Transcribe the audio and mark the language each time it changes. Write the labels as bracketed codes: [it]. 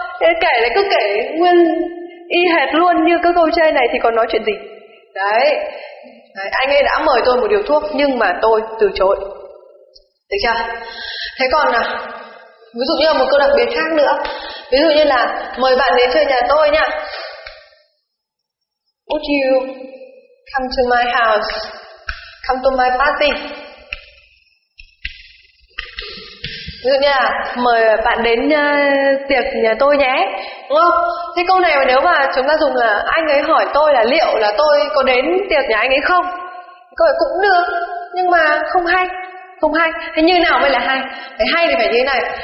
[vi] Thế kể là cứ kể nguyên y hệt luôn như cái câu trên này thì còn nói chuyện gì. Đấy, anh ấy đã mời tôi một điếu thuốc nhưng mà tôi từ chối, được chưa? Thế còn là ví dụ như là một câu đặc biệt khác nữa, ví dụ như là mời bạn đến chơi nhà tôi nhá. [en] Would you come to my house, come to my party? [vi] Ví dụ như là mời bạn đến tiệc nhà tôi nhé, đúng không? Thế câu này mà nếu mà chúng ta dùng là anh ấy hỏi tôi là liệu là tôi có đến tiệc nhà anh ấy không, câu này cũng được nhưng mà không hay. Thế như nào mới là hay? Phải hay thì phải như thế này.